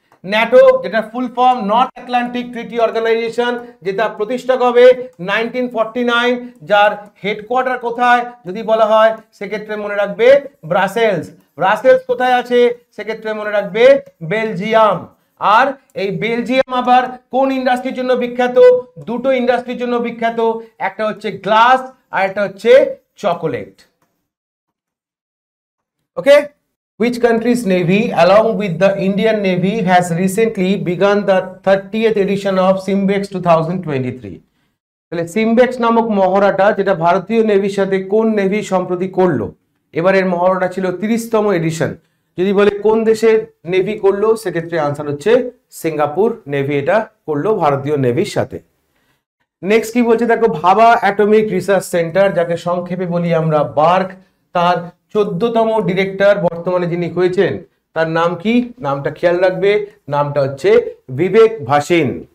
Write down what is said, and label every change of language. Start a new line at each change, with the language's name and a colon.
Bangla: NATO যেটা full form north Atlantic treaty organization, যেটা প্রতিষ্ঠা হবে 1949, যার হেডকোয়ার্টার কোথায় যদি বলা হয় সেক্ষেত্রে মনে রাখবে ব্রাসেলস কোথায় আছে, সেক্ষেত্রে মনে রাখবে বেলজিয়াম। আর এই বেলজিয়াম আবার কোন ইন্ডাস্ট্রির জন্য বিখ্যাত, দুটো ইন্ডাস্ট্রির জন্য বিখ্যাত, একটা হচ্ছে গ্লাস আর একটা হচ্ছে chocolate.
English: Okay, Which country's navy along with the Indian navy has recently begun the 30th edition of Simbex 2023?
Bangla: তাহলে Simbex নামক মহড়াটা যেটা ভারতীয় নেভির সাথে কোন নেভি সম্প্রতি করলো, এবার এর মহড়াটা ছিল 30তম এডিশন, যদি বলে কোন দেশের নেভি করলো সেক্ষেত্রে আনসার হচ্ছে সিঙ্গাপুর নেভি এটা করলো ভারতীয় নেভির সাথে। নেক্সট কি বলছে দেখো, ভাবা অ্যাটমিক রিসার্চ সেন্টার যাকে সংক্ষেপে বলি আমরা বার্ক, তার 14তম ডিরেক্টর বর্তমানে যিনি হয়েছেন তার নাম কি, নামটা খেয়াল রাখবে, নামটা হচ্ছে বিবেক ভাসিন।